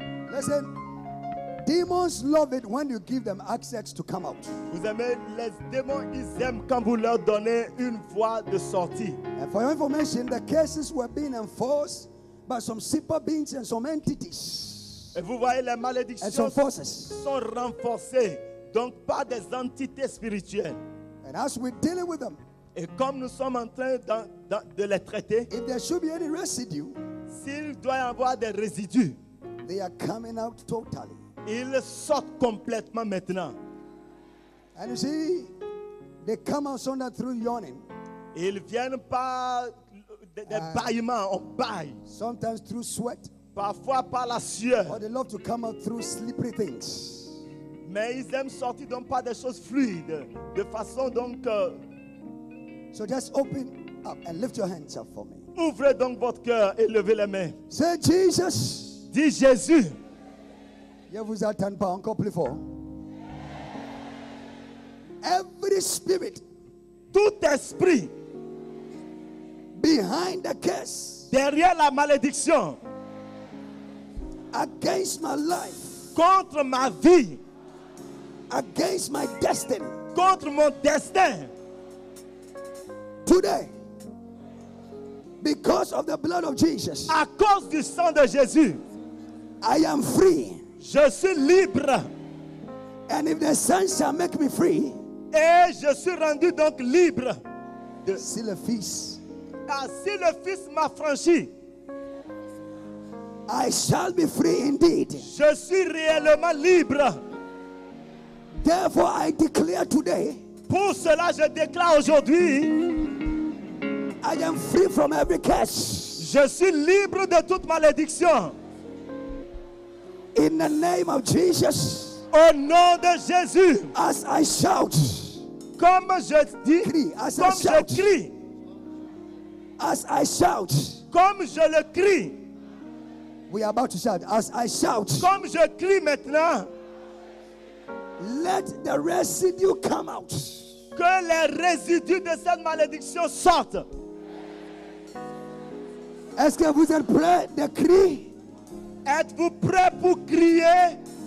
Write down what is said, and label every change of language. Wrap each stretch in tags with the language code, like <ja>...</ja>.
<en>Listen, demons love it when you give them access to come out.</en> <fr>Vous aimez les démons, ils aiment quand vous leur donnez une voie de sortie.</fr> <en>And for your information, the cases were being enforced by some super beings and some entities.</en> <fr>Et vous voyez, les malédictions</fr> <en>and some forces.</en> <fr>Sont renforcées, donc par des entités spirituelles.</fr> <en>And as we're dealing with them,</en> <fr>et comme nous sommes en train de les traiter,</fr> <en>if there should be any residue,</en> <fr>s'il doit y avoir des résidus,</fr> <en>they are coming out totally.</en> <fr>Ils sortent complètement maintenant.</fr> <en>And you see, they come out sometimes through yawning.</en> <fr>Ils viennent par des bâillements, on bâille.</fr> <en>Sometimes through sweat.</en> <fr>Parfois par la sueur.</fr> <en>Or they love to come out through slippery things.</en> <fr>Mais ils aiment sortir donc par des choses fluides, de façon donc.</fr> <en>So just open up and lift your hands up for me.</en> <fr>Ouvrez donc votre cœur et levez les mains.</fr> <en>Say Jesus.</en> <fr>Dis Jésus. Je vous attends pas encore plus fort.</fr> <en>Every spirit,</en> <fr>tout esprit,</fr> <en>behind the curse,</en> <fr>derrière la malédiction,</fr> <en>against my life,</en> <fr>contre ma vie,</fr> <en>against my destiny,</en> <fr>contre mon destin.</fr> <en>Today, because of the blood of Jesus,</en> <fr>à cause du sang de Jésus,</fr> <en>I am free.</en> <fr>Je suis libre.</fr> <en>And if the Son shall make me free,</en> <fr>et je suis rendu donc libre. De, si le Fils, si le Fils m'a franchi,</fr> <en>I shall be free indeed.</en> <fr>Je suis réellement libre.</fr> <en>Therefore, I declare today.</en> <fr>Pour cela, je déclare aujourd'hui.</fr> <en>I am free from every curse.</en> <fr>Je suis libre de toute malédiction.</fr> <en>In the name of Jesus.</en> <fr>Au nom de Jésus.</fr> <en>As I shout.</en> <fr>Comme je dis. Crie,</fr> <en>as</en> <fr>comme</fr> <en>I shout,</en> <fr>je crie.</fr> <en>As I shout.</en> <fr>Comme je le crie.</fr> <en>We are about to shout. As I shout.</en> <fr>Comme je crie maintenant.</fr> <en>Let the residue come out.</en> <fr>Que les résidus de cette malédiction sortent. Est-ce que vous êtes prêts de crier? Êtes-vous prêts pour crier?</fr>